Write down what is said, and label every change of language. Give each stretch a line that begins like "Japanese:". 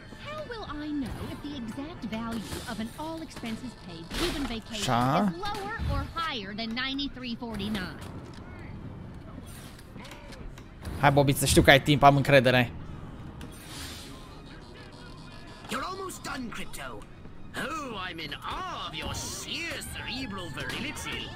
English: How will I know if the exact value of an all expenses paid given vacation is lower or higher than 9349?
Romanian: Hai, Bobiță, știu că ai timp, am încredere.
English: You're almost done, Crypto. Oh, I'm in awe of your sheer cerebral virility.